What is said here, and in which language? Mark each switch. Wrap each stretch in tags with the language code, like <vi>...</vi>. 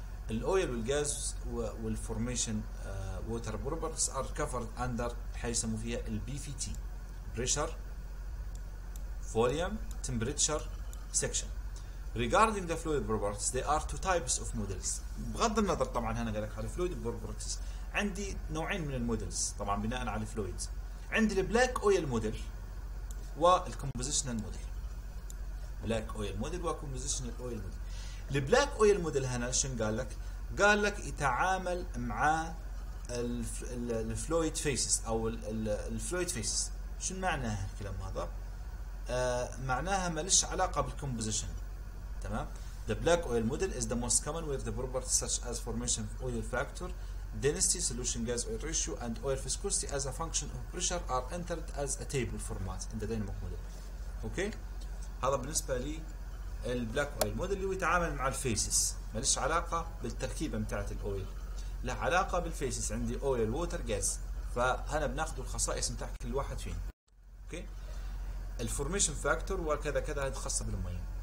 <en>الاويل</en> <ar>والغاز</ar> <en>والفورميشن water properties are covered under</en> <ar>حاجه يسموها فيها</ar> <en>البي V T, pressure volume temperature section. Regarding the fluid properties, there are two types of models.</en> <ar>بغض النظر طبعا هنا قال لك على fluid properties، عندي نوعين من المودلز طبعا بناء على fluids. عندي البلاك اويل موديل والكومبوزيشنال موديل. بلاك اويل موديل وكومبوزيشنال اويل موديل. البلاك اويل موديل هنا شن قال لك؟ قال لك يتعامل مع الفلويد فيسز او الفلويد فيسز. شو معنى الكلام هذا؟ معناها مالش علاقة بالكومبوزيشن.</ar> <en>تمام، the black oil model is the most common with the properties such as formation of oil factor density solution gas oil ratio and oil viscosity as a function of pressure are entered as a table format in the dynamic model.</en> <ar>اوكي، هذا بالنسبه لي البلاك اويل موديل اللي يتعامل مع الفيسز، مالش علاقه بالتركيبه بتاعه الاويل، له علاقه بالفيسز. عندي اويل ووتر جاز، فهنا بناخذ الخصائص بتاع كل واحد فيهم. اوكي، الفورميشن فاكتور وكذا كذا، هذه خاصه بالمي.</ar>